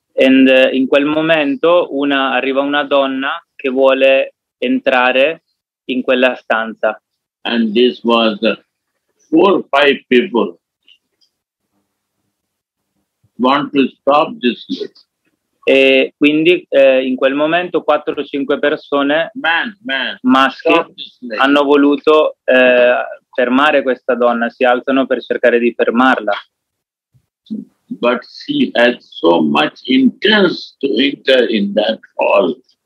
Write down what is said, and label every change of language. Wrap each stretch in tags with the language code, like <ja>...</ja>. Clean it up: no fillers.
<it>And in quel momento arriva una donna che vuole entrare in quella stanza.</it> <en>And this was 4 or 5 people want to stop this lady.</en> <it>E quindi in quel momento 4 o 5 persone maschi hanno voluto fermare questa donna, si alzano per cercare di fermarla.</it> <en>But she had so much intense to enter in that hall.</en>